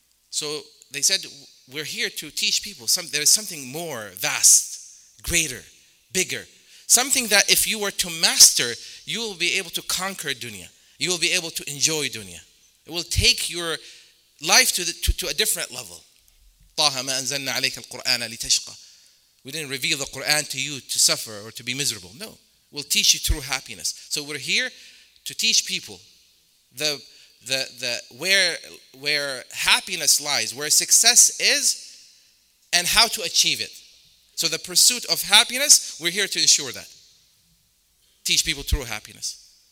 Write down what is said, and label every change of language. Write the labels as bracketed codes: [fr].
[en] So they said, we're here to teach people there is something more vast, greater, bigger. Something that if you were to master, you will be able to conquer dunya. You will be able to enjoy dunya. It will take your life to a different level. [ar] طه ما أنزلنا عليك القرآن لتشقى. [en] We didn't reveal the Quran to you to suffer or to be miserable. No, we'll teach you true happiness. So we're here to teach people the where happiness lies, where success is, and how to achieve it. So the pursuit of happiness, we're here to ensure that. Teach people true happiness.